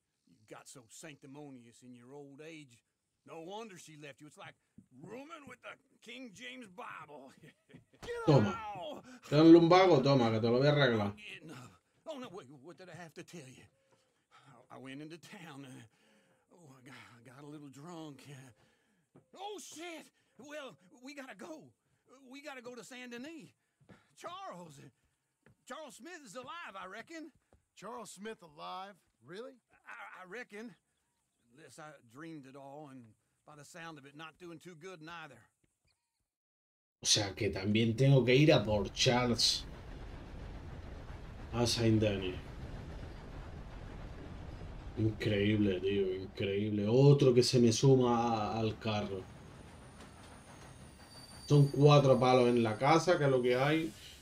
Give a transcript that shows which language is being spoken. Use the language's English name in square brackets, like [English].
[English] You got so sanctimonious in your old age. No wonder she left you. It's like rooming with the King James Bible. Get toma. Out. [Spanish] Ten lumbago, toma, que te lo voy a arreglar. [English] Oh, no, wait, what did I have to tell you? I went into town. I got a little drunk. Oh, shit. Well, we gotta go. We gotta go to Saint Denis. Charles Smith is alive, I reckon. Charles Smith alive? Really? I reckon. Unless I dreamed it all, and by the sound of it, not doing too good neither. [Spanish] O sea, que también tengo que ir a por Charles. A Saint Denis. Increíble, tío, increíble. Otro que se me suma al carro. Son cuatro palos en la casa, que es lo que hay.